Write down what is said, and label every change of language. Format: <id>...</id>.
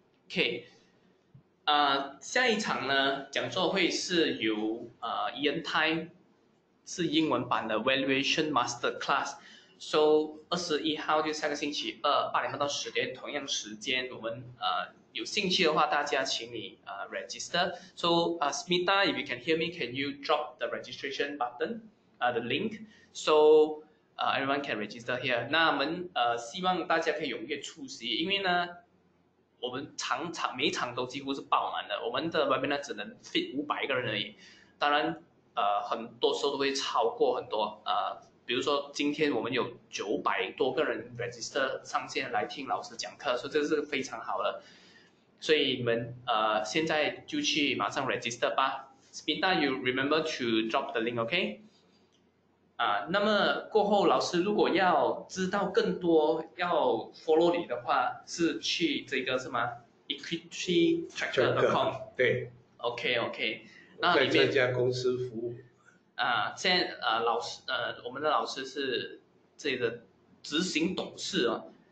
<zh>OK， 下一场呢讲座会是由Ian Tai， 是英文版的 Valuation Master Class。 So 21号就下个星期二8:30到10:00同样时间，我们有兴趣的话，大家请你register.</zh> <en>So Smita, if you can hear me, can you drop the registration button, the link, so everyone can register here.</en> <zh>那我们希望大家可以踊跃出席，因为呢，我们场每场都几乎是爆满的，我们的 webinar 只能 fit 500个人而已，当然很多时候都会超过很多比如说今天我们有900多个人 register 上线来听老师讲课，所以这是非常好的，所以你们现在就去马上 register 吧。</zh> <en>Spinda, you remember to drop the link, OK?</en> <zh>那么过后老师如果要知道更多要 follow 你的话，是去这个是吗？</zh> <en>EquityTracker.com</en> <zh>对， OK OK， 那里面在这家公司服务现在老师我们的老师是这个执行董事啊。</zh>